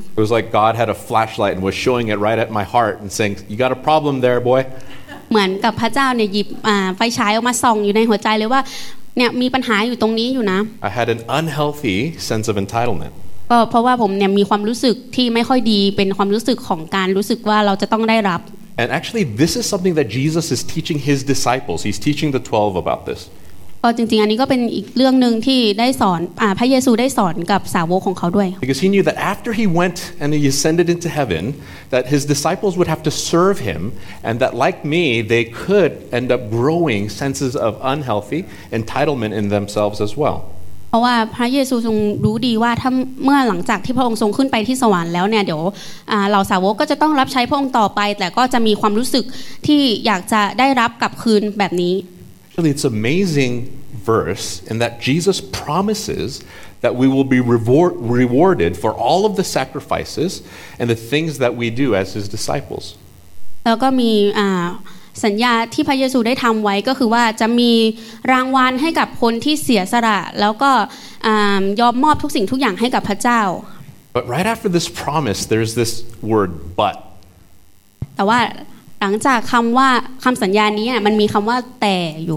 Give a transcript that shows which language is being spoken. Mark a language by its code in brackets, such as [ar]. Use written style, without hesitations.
[en] It was like God had a flashlight and was showing it right at my heart and saying you got a problem there boy [th] เหมือนกับพระเจ้าเนี่ยหยิบไฟฉายออกมาส่องอยู่ในหัวใจเลยว่าเนี่ยมีปัญหาอยู่ตรงนี้อยู่นะ [en] I had an unhealthy sense of entitlement [th] ก็เพราะว่าผมเนี่ยมีความรู้สึกที่ไม่ค่อยดีเป็นความรู้สึกของการรู้สึกว่าเราจะต้องได้รับ [en] And actually this is something that Jesus is teaching his disciples he's teaching the 12 about this [th] ก็จริงๆอันนี้ก็เป็นอีกเรื่องนึงที่ได้สอนพระเยซูได้สอนกับสาวกของเขาด้วย [en] Because he knew that after he went and he ascended into heaven that his disciples would have to serve him and that like me they could end up growing senses of unhealthy entitlement in themselves as well [th] เพราะว่าพระเยซูทรงรู้ดีว่าถ้าเมื่อหลังจากที่พระองค์ทรงขึ้นไปที่สวรรค์แล้วเนี่ยเดี๋ยวเหล่าสาวกก็จะต้องรับใช้พระองค์ต่อไปแต่ก็จะมีความรู้สึกที่อยากจะได้รับกลับคืนแบบนี้ [en] Actually, it's an amazing verse in that Jesus promises that we will be rewarded for all of the sacrifices and the things that we do as his disciples. [th] แล้วก็มีสัญญาที่พระเยซูได้ทำไว้ก็คือว่าจะมีรางวัลให้กับคนที่เสียสละแล้วก็ยอมมอบทุกสิ่งทุกอย่างให้กับพระเจ้า [en] But right after this promise, there's this word but. [th] แต่ว่าหลังจากคำว่าคำสัญญานี้มันมีคำว่าแต่อยู